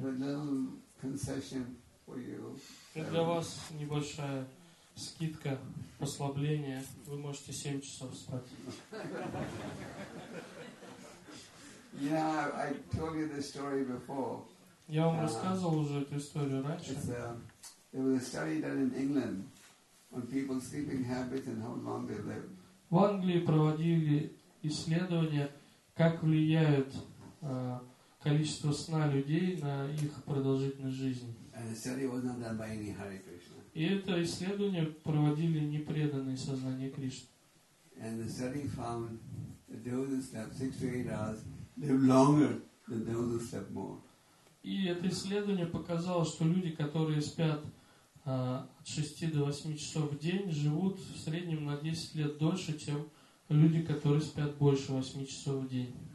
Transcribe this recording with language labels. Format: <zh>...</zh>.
<en>But little concession for you.</en> <ru>Для вас небольшая скидка, послабление. Вы можете 7 часов спать.</ru> <en>Yeah, I told you this story before.</en> <ru>Я вам рассказывал уже эту историю раньше.</ru> <en>There was a study done in England on people's sleeping habits and how long they live.</en> <ru>В Англии проводили исследования, как влияют количество сна людей на их продолжительность жизни.</ru> <en>And the study was not done by any Hare Krishna.</en> <ru>И это исследование проводили непреданные сознание Кришны.</ru> <en>And the study found that those who slept 6 to 8 hours live longer than those who slept more.</en> <ru>И это исследование показало, что люди, которые спят от 6 до 8 часов в день живут в среднем на 10 лет дольше, чем люди, которые спят больше 8 часов в день.</ru>